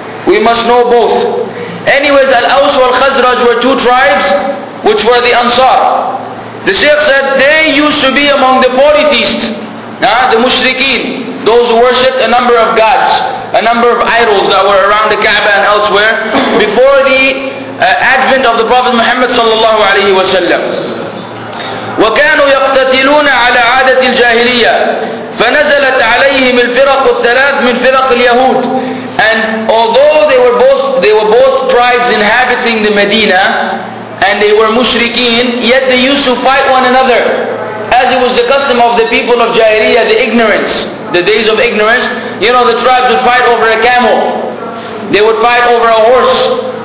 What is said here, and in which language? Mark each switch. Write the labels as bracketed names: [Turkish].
[English] We must know both. Anyways, Al-Aws wal-Khazraj were two tribes which were the Ansar. The Shaykh said they used to be among the polytheists, the mushrikeen, those who worshipped a number of gods, a number of idols that were around the Kaaba and elsewhere, before the advent of the Prophet Muhammad sallallahu alayhi wa sallam. [Arabic] وكانوا يقتتلون على عادة الجاهلية فنزلت عليهم الفرق الثلاث من فرق اليهود. [English] And although they were both tribes inhabiting the Medina and they were mushrikeen, yet they used to fight one another, as it was the custom of the people of Jahiliyyah, the ignorance, the days of ignorance. You know, the tribes would fight over a camel, they would fight over a horse.